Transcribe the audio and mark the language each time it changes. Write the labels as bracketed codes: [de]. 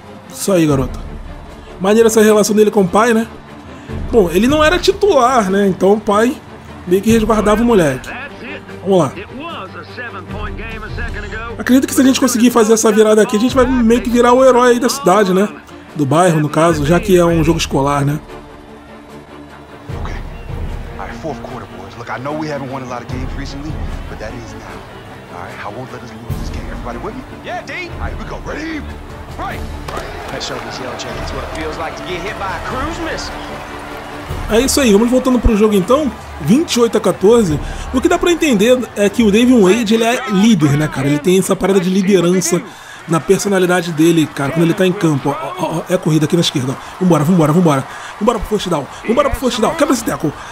[pt] Isso aí, garoto. Maneira essa relação dele com o pai, né? Bom, ele não era titular, né? Então o pai meio que resguardava o moleque. Vamos lá. Acredito que se a gente conseguir fazer essa virada aqui, a gente vai meio que virar o herói aí da cidade, né? Do bairro, no caso, já que é um jogo escolar, né? [en] Ok. All right, fourth quarter, boys. Look, I know we haven't won a lot of games recently, but that is now. All right, I won't let us lose this game. Everybody with me? Yeah, D. All right, here we go. Ready? Right. I show this yellow jacket what it feels like to get hit by a cruise missile. [pt] É isso aí, vamos voltando pro jogo então. 28 a 14. O que dá pra entender é que o David Wade, ele é líder, né, cara? Ele tem essa parada de liderança na personalidade dele, cara, quando ele tá em campo. Ó, ó, ó, é a corrida aqui na esquerda, ó. Vambora, vambora, vambora. Vambora pro first down. Vambora pro first down. Quebra esse tackle.